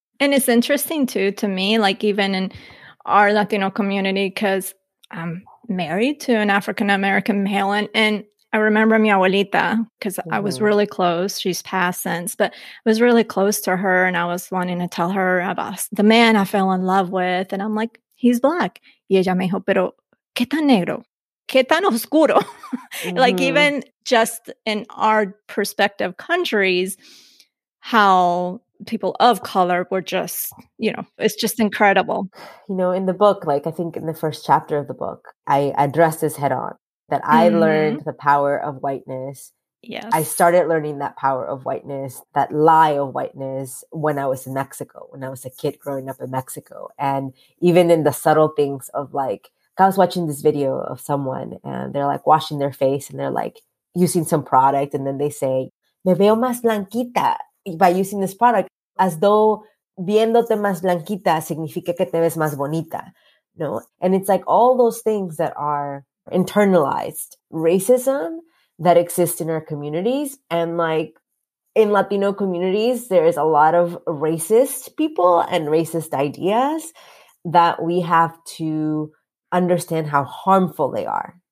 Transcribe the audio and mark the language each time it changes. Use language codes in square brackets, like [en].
[en] And it's interesting too, to me, like even in our Latino community, because I'm married to an African-American male. And I remember [es] mi abuelita, [en] because mm-hmm. I was really close. She's passed since, but I was really close to her. And I was wanting to tell her about the man I fell in love with. And I'm like, he's Black. [es] Y ella me dijo, pero ¿qué tan negro? ¿Qué tan oscuro? Mm-hmm. [en] Like even just in our perspective countries, how people of color were just, you know, it's just incredible. You know, in the book, like I think in the first chapter of the book, I addressed this head on, that I mm-hmm. learned the power of whiteness. Yes. I started learning that power of whiteness, that lie of whiteness when I was in Mexico, when I was a kid growing up in Mexico. And even in the subtle things of like, I was watching this video of someone and they're like washing their face and they're like using some product. And then they say, [es] me veo más blanquita [en] by using this product, as though [es] viéndote más blanquita significa que te ves más bonita. [en] No. And it's like all those things that are internalized racism that exists in our communities. And like in Latino communities, there is a lot of racist people and racist ideas that we have to understand how harmful they are.